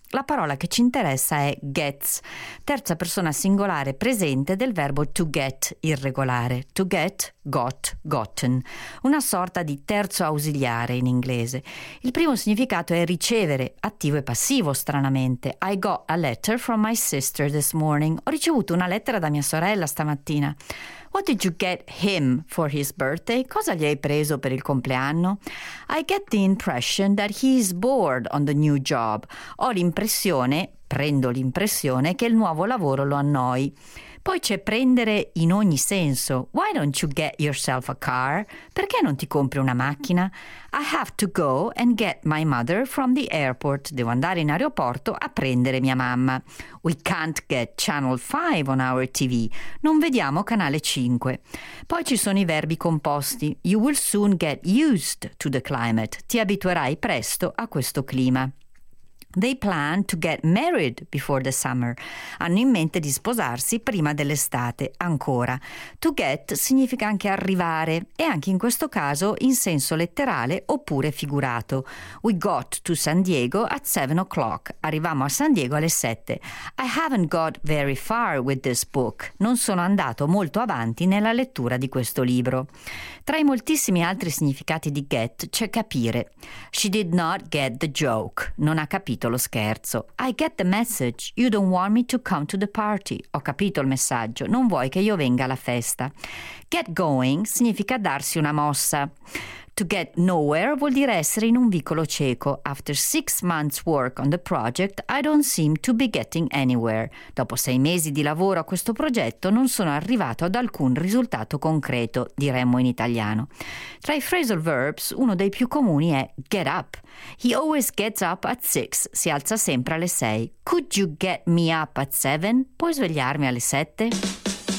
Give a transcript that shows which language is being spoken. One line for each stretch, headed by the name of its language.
Italian: La parola che ci interessa è gets, terza persona singolare presente del verbo to get irregolare, to get, got, gotten, una sorta di terzo ausiliare in inglese. Il primo significato è ricevere, attivo e passivo stranamente.
English: I got a letter from my sister this morning.
Italian: Ho ricevuto una lettera da mia sorella stamattina.
English: What did you get him for his birthday?
Italian: Cosa gli hai preso per il compleanno?
English: I get the impression that he is bored on the new job.
Italian: Ho l'impressione, prendo l'impressione, che il nuovo lavoro lo annoi. Poi c'è prendere in ogni senso.
English: Why don't you get yourself a car?
Italian: Perché non ti compri una macchina?
English: I have to go and get my mother from the airport.
Italian: Devo andare in aeroporto a prendere mia mamma.
English: We can't get channel 5 on our TV.
Italian: Non vediamo canale 5. Poi ci sono i verbi composti.
English: You will soon get used to the climate.
Italian: Ti abituerai presto a questo clima.
English: They plan to get married before the summer.
Italian: Hanno in mente di sposarsi prima dell'estate. Ancora, to get significa anche arrivare, e anche in questo caso in senso letterale oppure figurato.
English: We got to San Diego at 7 o'clock.
Italian: Arrivamo a San Diego alle 7.
English: I haven't got very far with this book.
Italian: Non sono andato molto avanti nella lettura di questo libro. Tra i moltissimi altri significati di get c'è capire.
English: She did not get the joke.
Italian: Non ha capito lo scherzo.
English: I get the message. You don't want me to come to the party.
Italian: Ho capito il messaggio. Non vuoi che io venga alla festa. Get going significa darsi una mossa. To get nowhere vuol dire essere in un vicolo cieco.
English: After 6 months work on the project, I don't seem to be getting anywhere.
Italian: Dopo 6 mesi di lavoro a questo progetto, non sono arrivato ad alcun risultato concreto, diremmo in italiano. Tra i phrasal verbs, uno dei più comuni è get up.
English: He always gets up at 6.
Italian: Si alza sempre alle 6.
English: Could you get me up at 7?
Italian: Puoi svegliarmi alle 7?